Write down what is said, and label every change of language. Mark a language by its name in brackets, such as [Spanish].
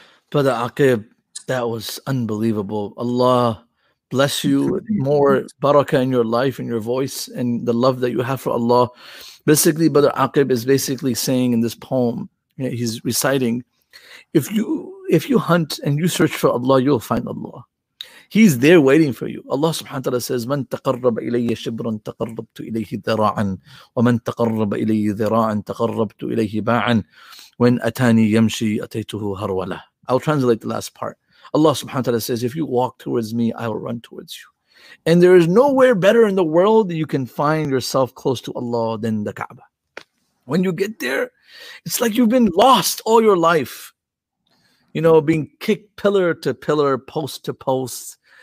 [English] Brother Aqib, that was unbelievable. Allah bless you with more barakah in your life and your voice and the love that you have for Allah. Basically, Brother Aqib is basically saying in this poem, you know, he's reciting, if you hunt and you search for Allah, you'll find Allah. He's there waiting for you. [Arabic] Allah subhanahu wa ta'ala says, من تقرب إلي شبرا تقربت إليه ذراعا ومن تقرب إلي ذراعا تقربت إليه باعا وإن أتاني يمشي أتيته هرولة. [English] I'll translate the last part. Allah subhanahu wa ta'ala says, if you walk towards me, I will run towards you. And there is nowhere better in the world that you can find yourself close to Allah than the Kaaba. When you get there, it's like you've been lost all your life. You know, being kicked pillar to pillar, post to post.